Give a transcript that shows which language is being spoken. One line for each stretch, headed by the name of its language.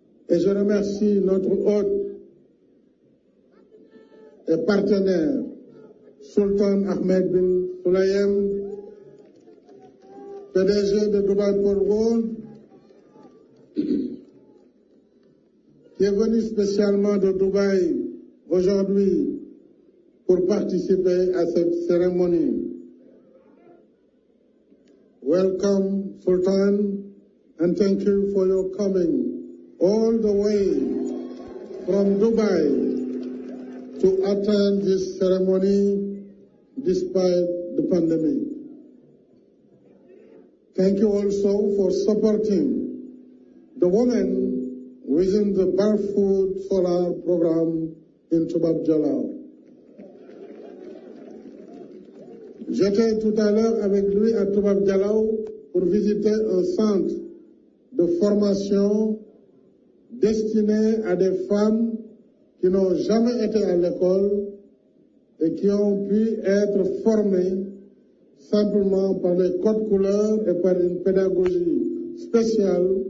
French: Et je remercie notre hôte et partenaire, Sultan Ahmed bin Sulayem, PDG de Dubai Port World, qui est venu spécialement de Dubaï aujourd'hui pour participer à cette cérémonie.
English: Welcome, Sultan, and thank you for your coming all the way from Dubai to attend this ceremony despite the pandemic. Thank you also for supporting the women within the Barefoot Solar Program in Tubab Jalal.
French: J'étais tout à l'heure avec lui à Tubab Jalal pour visiter un centre de formation destiné à des femmes qui n'ont jamais été à l'école et qui ont pu être formées simplement par les codes couleurs et par une pédagogie spéciale